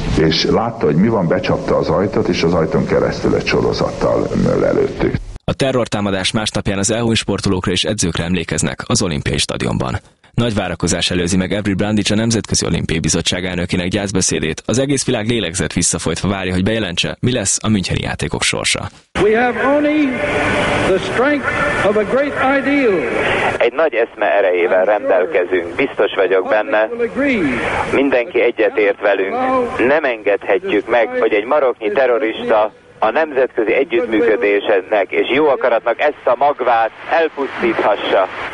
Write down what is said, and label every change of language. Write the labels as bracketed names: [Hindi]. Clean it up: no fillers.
[Hungarian] És látta, hogy mi van, becsapta az ajtót, és az ajtón keresztül egy sorozattal lelőttük. A terrortámadás másnapján az EU-n sportolókra és edzőkre emlékeznek az olimpiai stadionban. Nagy várakozás előzi meg Avril Brundage a Nemzetközi Olimpiai Bizottság elnökének gyászbeszédét. Az egész világ lélegzett visszafolytva várja, hogy bejelentse, mi lesz a müncheni játékok sorsa. [English] We have only the strength of a great ideal. [Hungarian] Egy nagy eszme erejével rendelkezünk, biztos vagyok benne. Mindenki egyetért velünk. Nem engedhetjük meg, hogy egy maroknyi terrorista a nemzetközi együttműködésnek és jó akaratnak ezt a magvát elpusztíthassa.